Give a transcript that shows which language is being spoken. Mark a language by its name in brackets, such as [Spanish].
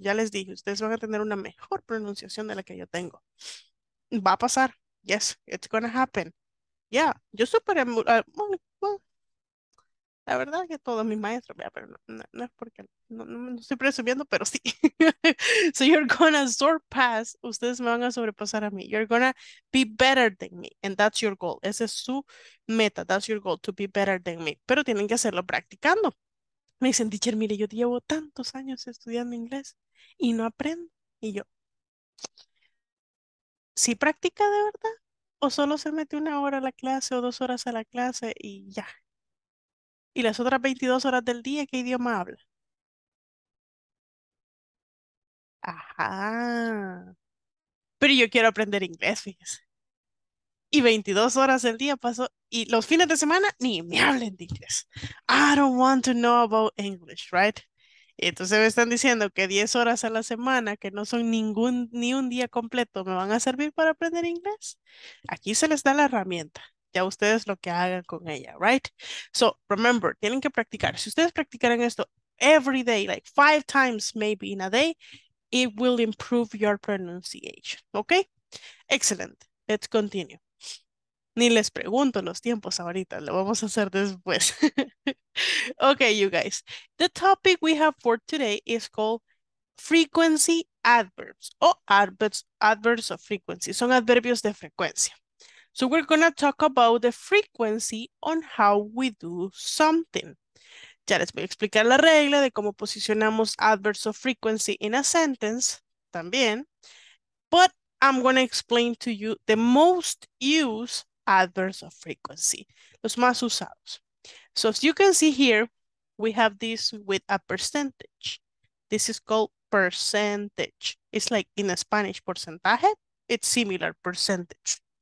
[Spanish] Ya les dije, ustedes van a tener una mejor pronunciación de la que yo tengo. Va a pasar. [English] Yes, it's going to happen. Yeah, [Spanish] yo superé. La verdad que todos mis maestros, pero no estoy presumiendo, pero sí. [English] So you're gonna surpass, [Spanish] ustedes me van a sobrepasar a mí. [English] You're gonna be better than me, and that's your goal. [Spanish] Esa es su meta, [English] that's your goal, to be better than me. [Spanish] Pero tienen que hacerlo practicando. Me dicen, teacher, mire, yo llevo tantos años estudiando inglés y no aprendo. Y yo, ¿sí practica de verdad? ¿O solo se mete 1 hora a la clase o 2 horas a la clase y ya? ¿Y las otras 22 horas del día qué idioma habla? Ajá. Pero yo quiero aprender inglés, fíjese. Y 22 horas del día paso. Y los fines de semana ni me hablen de inglés. [English] I don't want to know about English, right? [Spanish] Entonces me están diciendo que 10 horas a la semana, que no son ni un día completo, ¿me van a servir para aprender inglés? Aquí se les da la herramienta. Ya ustedes lo que hagan con ella, right? [English] So, remember, [Spanish] tienen que practicar. Si ustedes practicaran esto [English] every day, like 5 times maybe in a day, it will improve your pronunciation, okay? Excellent. Let's continue. [Spanish] Ni les pregunto los tiempos ahorita, lo vamos a hacer después. [English] Okay, you guys. The topic we have for today is called frequency adverbs, o adverbs of frequency. [Spanish] Son adverbios de frecuencia. [English] So we're going to talk about the frequency on how we do something. [Spanish] Ya les voy a explicar la regla de cómo posicionamos [English] adverbs of frequency in a sentence [Spanish] también. [English] But I'm going to explain to you the most used adverbs of frequency, [Spanish] los más usados. [English] So as you can see here, We have this with a percentage. This is called percentage. It's like in Spanish, porcentaje. It's similar, percentage.